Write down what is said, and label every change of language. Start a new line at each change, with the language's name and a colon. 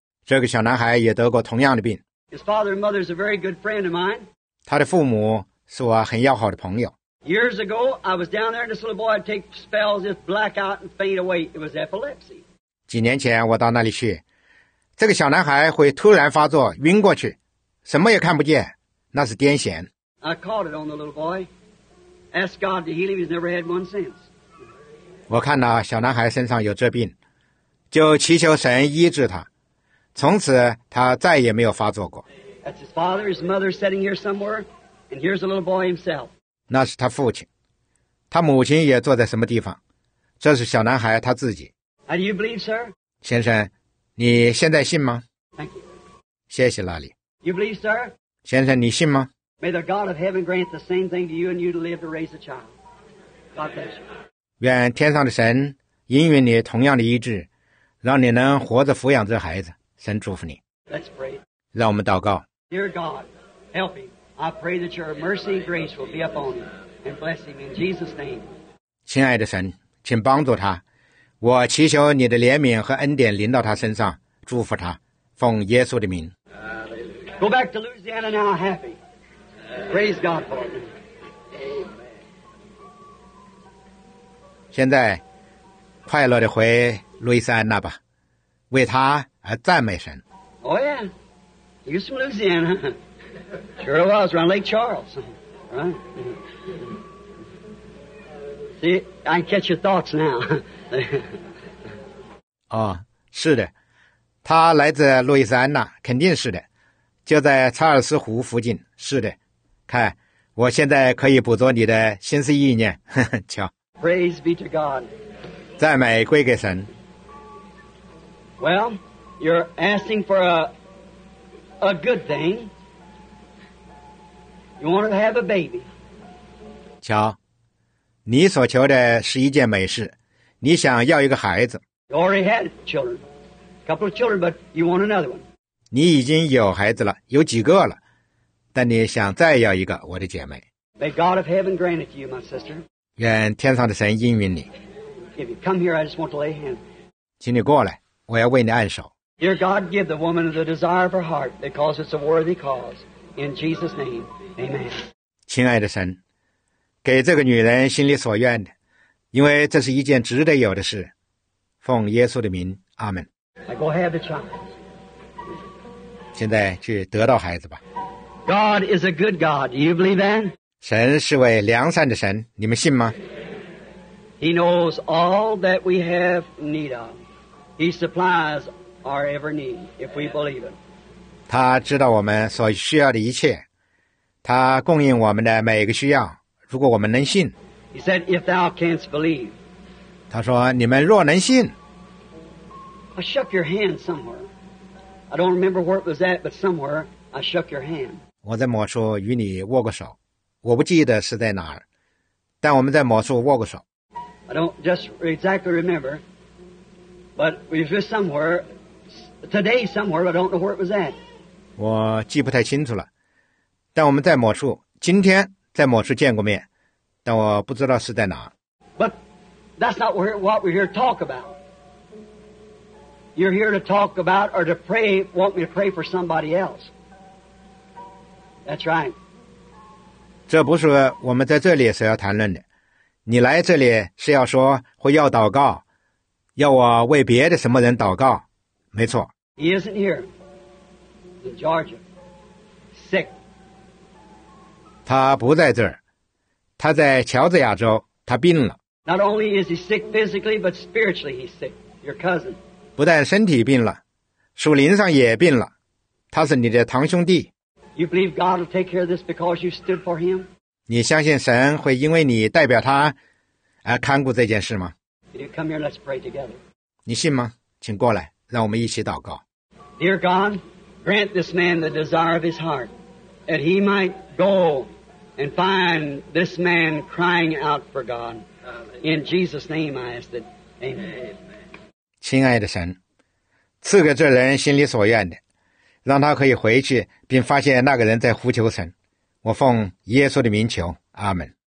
Chinese: 这个小男孩也得过同样的病。
English: His father and mother is a very good friend of mine.
Chinese: 他的父母是我很要好的朋友。
English: Years ago, I was down there, and this little boy would take spells, just black out and faint away. It was epilepsy.
Chinese: 几年前我到那里去，这个小男孩会突然发作，晕过去，什么也看不见，那是癫痫。
English: I caught it on the little boy. Asked God to heal him. He's never had one since.
Chinese: 我看到小男孩身上有这病，就祈求神医治他，从此他再也没有发作过。
English: That's his father, his mother sitting here somewhere. And here's the little boy himself.
Chinese: 那是他父亲，他母亲也坐在什么地方？这是小男孩他自己。
English: How do you believe, sir?
Chinese: 先生，你现在信吗？
English: Thank you.
Chinese: 谢谢拉里。
English: You believe, sir?
Chinese: 先生，你信吗？
English: May the God of heaven grant the same thing to you and you to live to raise a child. God bless you.
Chinese: 愿天上的神应允你同样的医治，让你能活着抚养这孩子。神祝福你。
English: Let's pray.
Chinese: 让我们祷告。
English: Dear God, help me. I pray that your mercy and grace will be upon him and bless him in Jesus' name.
Chinese: 亲爱的神，请帮助他。我祈求你的怜悯和恩典临到他身上，祝福他。奉耶稣的名。
English: Go back to Louisiana now, happy. Praise God for you.
Chinese: 现在，快乐地回路易斯安那吧，为他而赞美神。
English: Oh yeah, you're from Louisiana. Sure it was, around Lake Charles. Right? See, I catch your thoughts now.
Chinese: 哦，是的，他来自路易斯安那，肯定是的，就在查尔斯湖附近。是的，看，我现在可以捕捉你的心思意念。瞧。
English: Praise be to God.
Chinese: 赞美归给神。
English: Well, you're asking for a good thing. You want to have a baby.
Chinese: 瞧，你所求的是一件美事，你想要一个孩子。
English: You already had children, a couple of children, but you want another one.
Chinese: 你已经有孩子了，有几个了，但你想再要一个，我的姐妹。
English: May God of heaven grant it to you, my sister.
Chinese: 愿天上的神应允你。
English: If you come here, I just want to lay hands.
Chinese: 请你过来，我要为你按手。
English: Dear God, give the woman the desire of her heart, because it's a worthy cause. In Jesus' name. Amen.
Chinese: 亲爱的神，给这个女人心里所愿的，因为这是一件值得有的事。奉耶稣的名，阿们。
English: I go have the child.
Chinese: 现在去得到孩子吧。
English: God is a good God. Do you believe that?
Chinese: 神是位良善的神，你们信吗？
English: He knows all that we have need of. He supplies our every need if we believe it.
Chinese: 他知道我们所需要的一切。他供应我们的每一个需要，如果我们能信。
English: He said, "If thou canst believe."
Chinese: 他说：“你们若能信。
English: ”I shook your hand somewhere. I don't remember where it was at, but somewhere I shook your hand.
Chinese: 我在某处与你握过手，我不记得是在哪儿，但我们在某处握过手。
English: I don't just exactly remember, but we were somewhere today somewhere. I don't know where it was at.
Chinese: 我记不太清楚了。但我们在某处，今天在某处见过面，但我不知道是在哪。
English: But that's not what we're here to talk about. You're here to talk about or to pray, want me to pray for somebody else. That's right.
Chinese: 这不是我们在这里所要谈论的。你来这里是要说或要祷告，要我为别的什么人祷告？没错。
English: He isn't here. Georgia. Sick.
Chinese: 他不在这儿，他在乔治亚州，他病了。
English: Not only is he sick physically, but spiritually he's sick. Your cousin.
Chinese: 不但身体病了，属灵上也病了。他是你的堂兄弟。
English: You believe God will take care of this because you stood for him?
Chinese: 你相信神会因为你代表他而看顾这件事吗？
English: You come here, let's pray together.
Chinese: 你信吗？请过来，让我们一起祷告。
English: Dear God, grant this man the desire of his heart, that he might go and find this man crying out for God. In Jesus' name I ask that. Amen.
Chinese: 亲爱的神，赐给这人心里所愿的，让他可以回去并发现那个人在呼求神。我奉耶稣的名求，阿门。